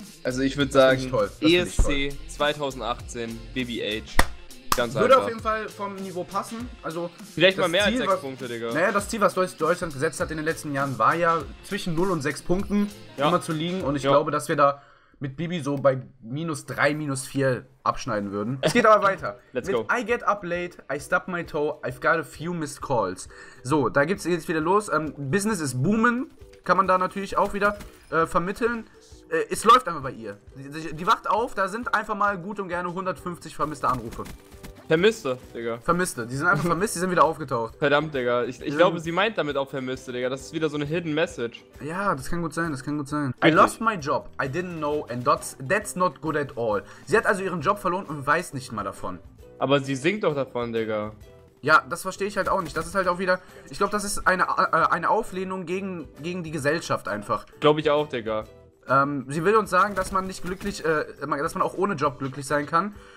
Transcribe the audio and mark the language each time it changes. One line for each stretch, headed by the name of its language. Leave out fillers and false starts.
German: Also ich würde sagen, ESC 2018, BBH. Würde auf jeden Fall vom Niveau passen. Also vielleicht mal mehr Ziel, als 6 Punkte, Digga. Naja, das Ziel, was Deutschland gesetzt hat in den letzten Jahren, war ja zwischen 0 und 6 Punkten immer zu liegen. Und ich glaube, dass wir da mit Bibi so bei minus 3, minus 4 abschneiden würden. Es geht aber weiter.
English: Let's mit go. I get up late, I stub my toe, I've got a few missed calls.
German: So, da geht es jetzt wieder los.
English: Business is booming,
German: kann man da natürlich auch wieder vermitteln. Es läuft einfach bei ihr. Die wacht auf, da sind einfach mal gut und gerne 150 vermisste Anrufe. Vermisste, Digga. Die sind einfach vermisst, die sind wieder aufgetaucht. Verdammt, Digga. Ich glaube, sie meint damit auch Vermisste, Digga. Das ist wieder so eine Hidden Message. Ja, das kann gut sein. Richtig.
English: I lost my job, I didn't know, and that's not good at all.
German: Sie hat also ihren Job verloren und weiß nicht mal davon. Aber sie singt doch davon, Digga. Ja, das verstehe ich halt auch nicht. Das ist halt auch wieder, ich glaube, das ist eine Auflehnung gegen die Gesellschaft einfach. Glaube ich auch, Digga. Sie will uns sagen, dass man nicht glücklich, dass man auch ohne Job glücklich sein kann.